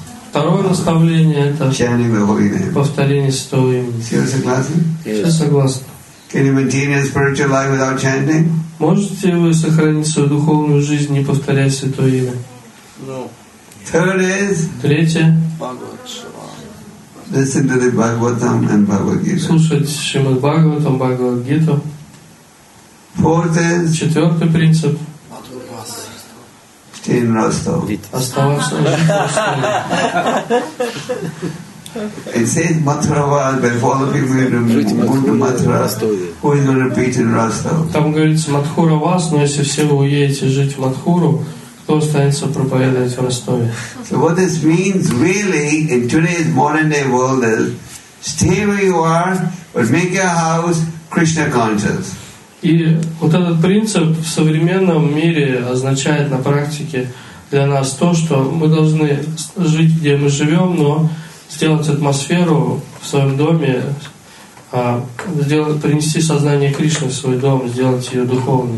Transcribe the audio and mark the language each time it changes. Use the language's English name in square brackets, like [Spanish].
[Russian] второе наставление — это повторение святого имени. Все согласны? [English] Can you maintain your spiritual life without chanting? [Russian] Можете вы сохранить свою духовную жизнь, не повторяя святое имя? [English] Third is [Russian] третье. [English] Listen to the Bhagavatam and Bhagavad Gita. [Russian] Слушать Шримад Бхагаватам, Бхагавад Гиту. [English] Fourth is [Russian] четвертый принцип. [English] Stay in Rostov. [Russian] Оставаться в Ростове. [English] It says Mathura Vas, but for all the people who are going to Mathura, who is going to preach in Rostov? [Russian] Там говорится Мадхура Вас, но если все вы уедете жить в Мадхуру, кто останется проповедовать в Ростове. [English] So what this means really in today's modern day world is stay where you are, but make your house Krishna conscious. [Russian] И вот этот принцип в современном мире означает на практике для нас то, что мы должны жить, где мы живем, но сделать атмосферу в своем доме, принести сознание Кришны в свой дом, сделать ее духовной.